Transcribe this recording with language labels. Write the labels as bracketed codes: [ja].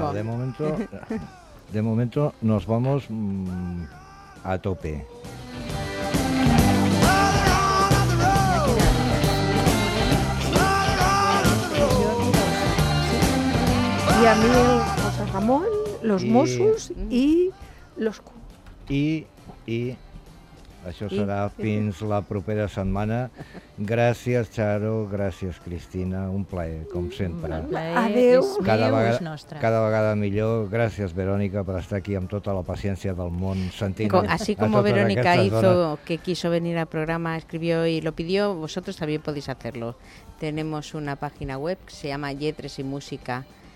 [es] No, de momento... De momento nos vamos a tope. Y a mí José Ramón, los Mossos y los [ca] y això serà fins la propera setmana. Gràcies, Charo, gràcies, Cristina. Un plaer, com sempre. Adéu. Cada vegada millor. Gràcies, Verònica, per estar aquí amb tota la paciència del món. [es] Así como Verónica hizo que quiso venir al programa, escribió y lo pidió, vosotros también podéis hacerlo. Tenemos una página web que se llama Lletres y Música.